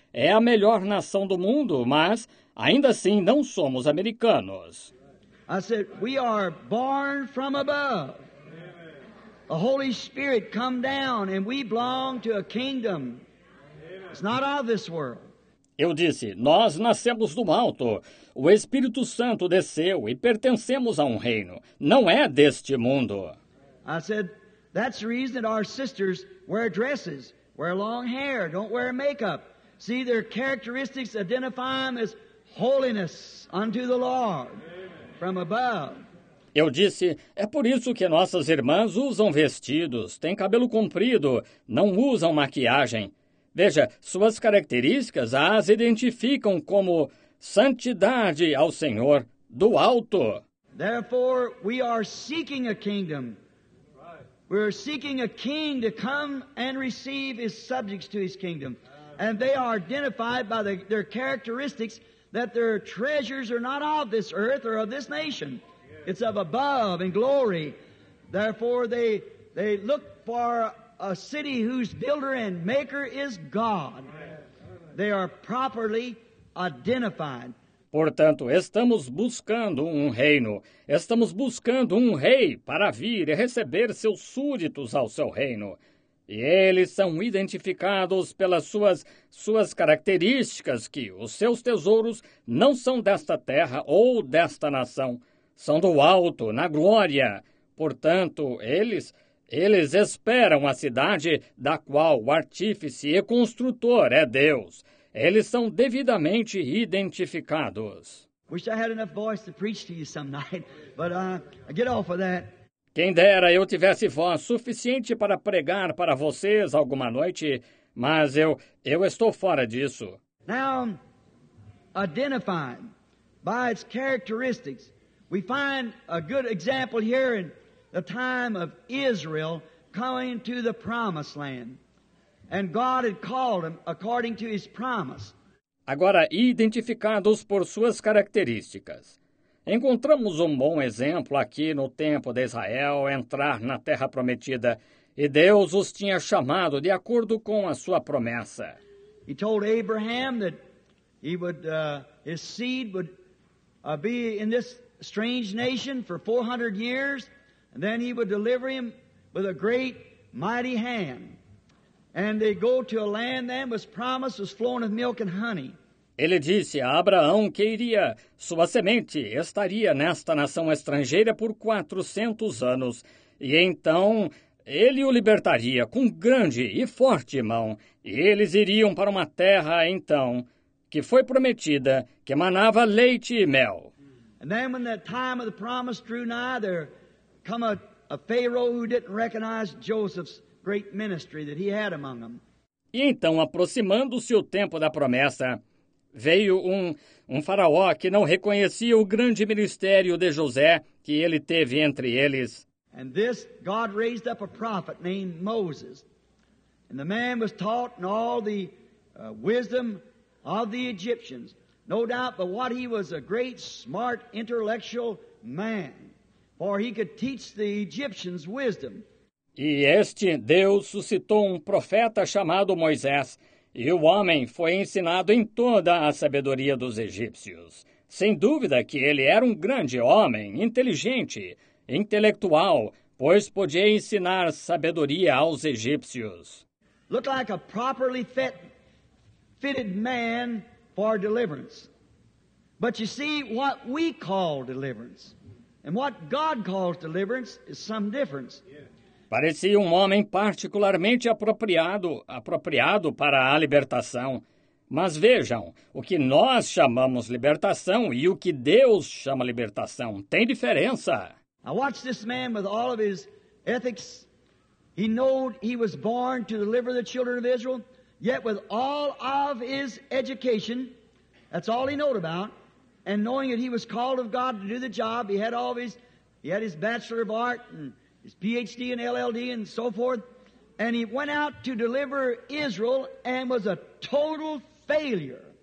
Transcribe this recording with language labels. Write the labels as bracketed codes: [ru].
[pt] É a melhor nação do mundo, mas ainda assim não somos americanos. [en] I said, we are born from above. The Holy Spirit come down and we belong to a kingdom. It's not out of this world. [pt] Eu disse, nós nascemos do alto, o Espírito Santo desceu e pertencemos a um reino, não é deste mundo. [en] I said, that's the reason that our sisters wear dresses, wear long hair, don't wear makeup. See, their characteristics identify them as holiness unto the Lord, from above. [pt] Eu disse, é por isso que nossas irmãs usam vestidos, têm cabelo comprido, não usam maquiagem. Veja, suas características as identificam como santidade ao Senhor do alto. [en] Therefore, we are seeking a kingdom. We are seeking a king to come and receive his subjects to his kingdom. And they are identified by their characteristics that their treasures are not of this earth or of this nation. It's of above in glory. Therefore, they look for a city whose builder and maker is God. They are properly identified. [pt] Portanto, estamos buscando um reino. Estamos buscando um rei para vir e receber seus súditos ao seu reino. E eles são identificados pelas suas características, que os seus tesouros não são desta terra ou desta nação. São do alto, na glória. Portanto, eles esperam a cidade da qual o artífice e construtor é Deus. Eles são devidamente identificados. [en] Wish I had enough voice to preach to you some night, but I get off of that. [pt] Quem dera eu tivesse voz suficiente para pregar para vocês alguma noite, mas eu estou fora disso. [en] Now, identified by its characteristics, we find a good example here in the time of Israel coming to the promised land. And God had called them according to his promise. [pt] Agora, identificados por suas características. Encontramos um bom exemplo aqui no tempo de Israel entrar na terra prometida. E Deus os tinha chamado de acordo com a sua promessa. [en] He told Abraham that he would, his seed would be in this strange nation for 400 years. And then he would deliver him with a great, mighty hand. And they go to a land then was promised, was flowing with milk and honey. [pt] Ele disse a Abraão que iria, sua semente estaria nesta nação estrangeira por 400 anos. E então ele o libertaria com grande e forte mão. E eles iriam para uma terra, então, que foi prometida, que emanava leite e mel. [en] And then when the time of the promise drew nigh, there come a Pharaoh who didn't recognize Joseph's great ministry that he had among them. [pt] E então, aproximando-se o tempo da promessa, veio um faraó que não reconhecia o grande ministério de José que ele teve entre eles. [en] And this God raised up a prophet named Moses. And the man was taught in all the wisdom of the Egyptians. No doubt, but what he was a great, smart, intellectual man. For he could teach the Egyptians wisdom. [pt] E este Deus suscitou um profeta chamado Moisés, e o homem foi ensinado em toda a sabedoria dos egípcios. Sem dúvida que ele era um grande homem, inteligente, intelectual, pois podia ensinar sabedoria aos egípcios. [en] Looked like a properly fitted man for deliverance. But you see, what we call deliverance and what God calls deliverance is some difference. [pt] Parecia um homem particularmente apropriado para a libertação. Mas vejam, o que nós chamamos libertação e o que Deus chama libertação tem diferença. [en] Now watch this man with all of his ethics. He knew he was born to deliver the children of Israel, yet with all of his education, that's all he knew about, and knowing that he was called of God to do the job, he had his Bachelor of Art and his PhD and LLD and so forth, and he went out to deliver Israel and was a total failure.